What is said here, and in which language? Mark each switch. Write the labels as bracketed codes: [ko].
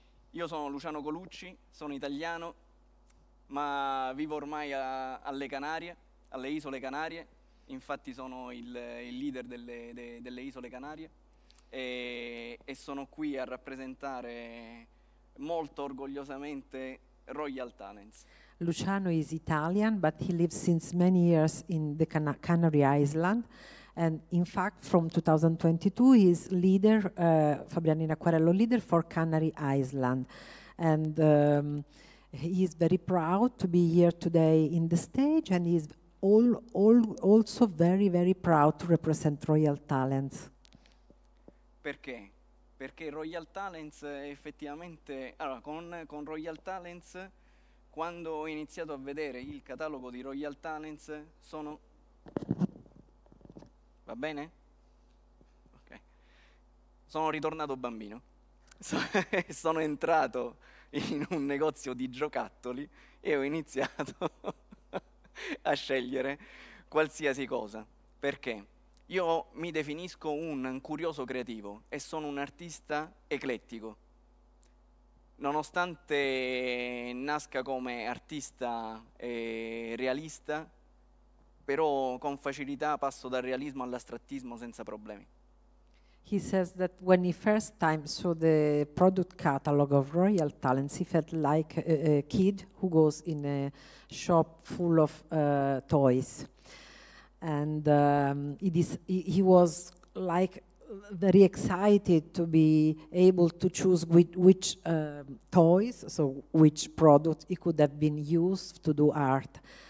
[it] Io sono Luciano Colucci, sono italiano, ma vivo ormai alle Canarie, alle Isole Canarie. Infatti sono il leader delle Isole Canarie e sono qui a rappresentare molto orgogliosamente Royal Talents. [en] Luciano is Italian, but he lives since many years in the Canary Island. And in fact, from 2022, he is leader, FabrianoInAcquarello leader for Canary Island. And he is very proud to be here today in the stage, and he is also very, very proud to represent Royal Talents. [it] Perché? Perché Royal Talents effettivamente, allora, con Royal Talents, quando ho iniziato a vedere il catalogo di Royal Talents, sono... Va bene? Ok. Sono ritornato bambino. Sono entrato in un negozio di giocattoli e ho iniziato a scegliere qualsiasi cosa. Perché? Io mi definisco un curioso creativo e sono un artista eclettico. Nonostante nasca come artista realista, però con facilità passo dal realismo all'astrattismo senza problemi. [en] He says that when he first time saw the product catalog of Royal Talents, he felt like a kid who goes in a shop full of toys. And he was like very excited to be able to choose which toys, so which product it could have been used to do art.